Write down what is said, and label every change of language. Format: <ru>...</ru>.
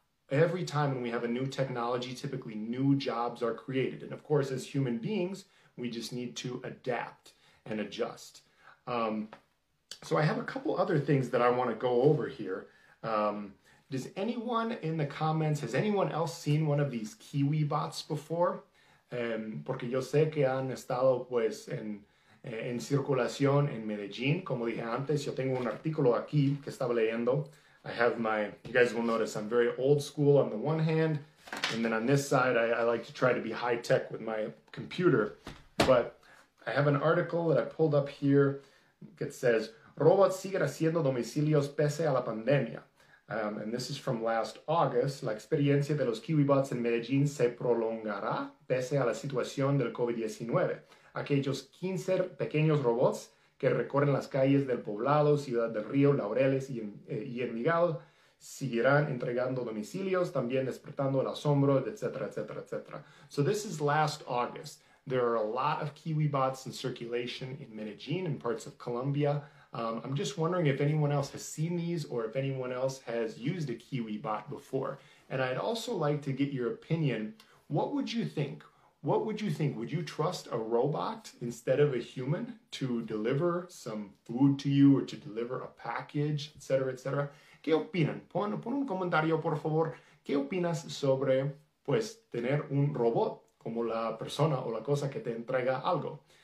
<en>Every time when we have a new technology, typically new jobs are created. And of course, as human beings, we just need to adapt and adjust. So I have a couple other things that I want to go over here. Does anyone in the comments, has anyone else seen one of these Kiwi bots before?</en> <es>Porque yo sé que han estado pues en circulación en Medellín. Como dije antes, yo tengo un artículo aquí que estaba leyendo.</es> <en>I have my, you guys will notice I'm very old school on the one hand, and then on this side I like to try to be high tech with my computer. But I have an article that I pulled up here that says,</en> <es>robots siguen haciendo domicilios pese a la pandemia.</es> <en>And this is from last August.</en> <es>La experiencia de los KiwiBots en Medellín se prolongará pese a la situación del COVID-19. Aquellos 15 pequeños robots que recorren las calles del Poblado, Ciudad del Río, Laureles y Envigado, seguirán entregando domicilios, también despertando el asombro, etc., etc., etc.</es> <en>So this is last August. There are a lot of KiwiBots in circulation in Medellin and parts of Colombia. I'm just wondering if anyone else has seen these or if anyone else has used a KiwiBot before. And I'd also like to get your opinion. What would you think? What would you think? Would you trust a robot instead of a human to deliver some food to you or to deliver a package, etc., etc.?</en> <es>¿Qué opinan? Pon un comentario, por favor. ¿Qué opinas sobre, pues, tener un robot como la persona o la cosa que te entrega algo?</es>